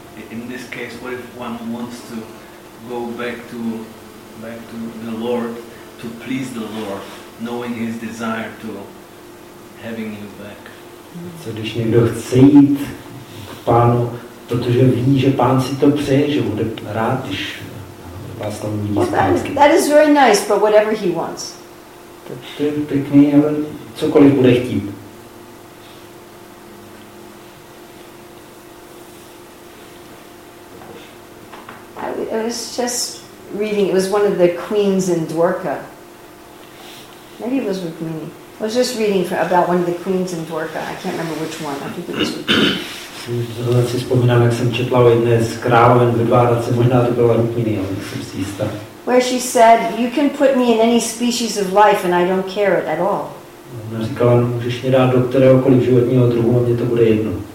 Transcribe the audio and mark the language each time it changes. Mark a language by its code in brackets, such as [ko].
[en] In this case, what if one wants to go back to the Lord, to please the Lord, knowing his desire to having you back? [cs] Co když někdo chce jít k Pánu, protože ví, že Pán si to přeje, že bude rád, když vás tam vidí zpátky. [en] That is very nice, but whatever he wants. [cs] To je pěkný, ale cokoliv bude chtít. [en] I was just reading, it was one of the queens in Dwarka. Maybe it was with me. I was just reading about one of the queens in Dwarka. I can't remember which one. I think it was with me. [cs] Zrovna si vzpomínám, jak jsem četla o jedné z královen ve Dvárce, možná to byla Rukmini, ale jsem si jistá. [en] Where she said, you can put me in any species of life and I don't care it at all. [cs] Ona říkala, můžeš mě dát do kteréhokoliv životního druhu a mě to bude jedno.